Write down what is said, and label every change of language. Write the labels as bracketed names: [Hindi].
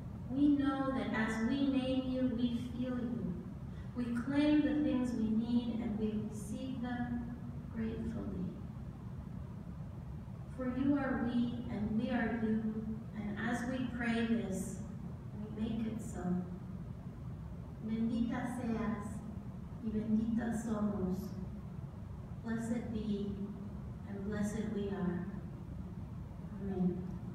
[English] We know that as we name you, we feel you. We claim the things we need and we receive them gratefully. For you are we and we are you, and as we pray this, we make it so. [Spanish] Bendita seas y bendita somos. [English] Blessed be, and blessed we are. Amen.